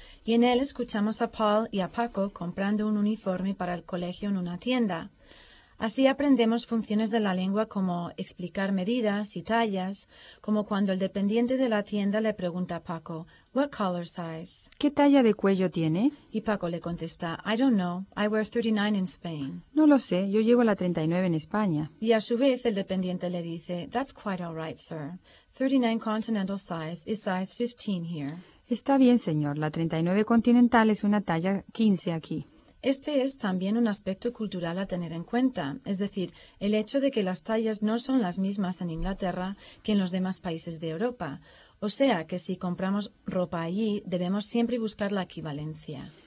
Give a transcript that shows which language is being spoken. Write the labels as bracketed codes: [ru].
[es] Y en él escuchamos a Paul y a Paco comprando un uniforme para el colegio en una tienda. Así aprendemos funciones de la lengua como explicar medidas y tallas, como cuando el dependiente de la tienda le pregunta a Paco, [en] what color size? [es] ¿Qué talla de cuello tiene? Y Paco le contesta, [en] I don't know, I wear 39 in Spain. [es] No lo sé, yo llevo la 39 en España. Y a su vez el dependiente le dice, [en] that's quite all right, sir. 39 continental size is size 15 here. [es] Está bien, señor. La 39 continental es una talla 15 aquí. Este es también un aspecto cultural a tener en cuenta, es decir, el hecho de que las tallas no son las mismas en Inglaterra que en los demás países de Europa. O sea, que si compramos ropa allí, debemos siempre buscar la equivalencia.